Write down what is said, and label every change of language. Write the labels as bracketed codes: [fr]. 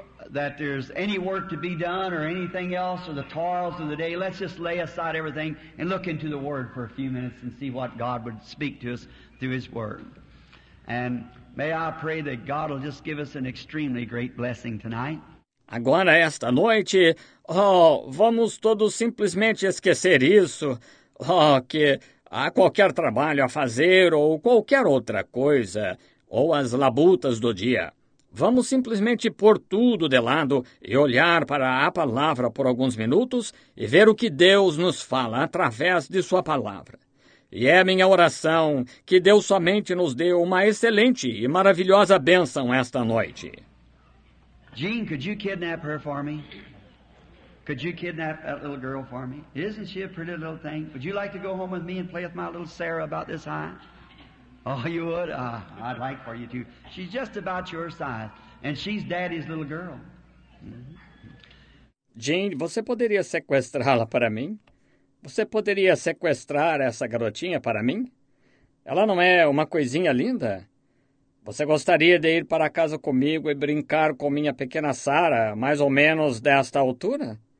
[en] That there's any work to be done or anything else or the toils of the day, let's just lay aside everything and look into the Word for a few minutes and see what God would speak to us through His Word. And may I pray that God will just give us an extremely great blessing tonight. [pt] Agora, esta noite, vamos todos simplesmente esquecer isso, que há qualquer trabalho a fazer ou qualquer outra coisa, ou as labutas do dia. Vamos simplesmente pôr tudo de lado e olhar para a palavra por alguns minutos e ver o que Deus nos fala através de sua palavra. E é minha oração que Deus somente nos dê uma excelente e maravilhosa bênção esta noite. [en] Jean, could you kidnap her for me? Could you kidnap that little girl for me? Isn't she a pretty little thing? Would you like to go home with me and play with my little Sarah about this high? Oh, you would? I'd like for you to. She's just about your size, and she's daddy's little girl. [pt] Jean, você poderia sequestrá-la para mim? Você poderia sequestrar essa garotinha para mim? Ela não é uma coisinha linda? Você gostaria de ir para casa comigo e brincar com minha pequena Sarah, mais ou menos desta altura?